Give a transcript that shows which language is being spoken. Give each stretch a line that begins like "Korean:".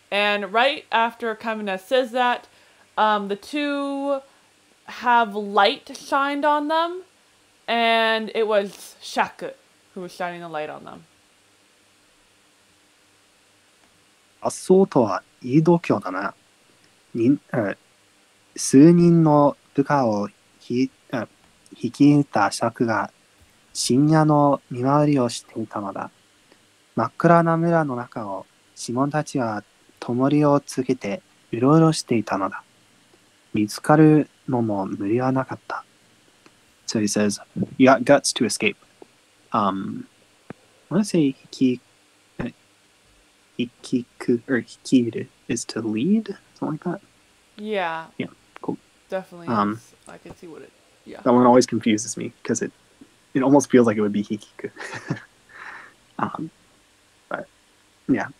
English: And right after Kamina says that,the two have light shined on them, and it was Shaku who was shining the light on them.
Japanese: 脱走とはいい度胸だな。数人の部下を引き入れたシャクが深夜の見回りをしていたのだ。真っ暗な村の中をシモンたちは灯をつけてうろうろしていたのだ。見つかるのも無理はなかった。
English: So he says, you got guts to escape. I want to say 引き入る is to lead? Something like that? Yeah. Yeah, cool. Definitely. I can see what it... Yeah. That one always confuses me because it almost feels like it would be 引きく. but, yeah.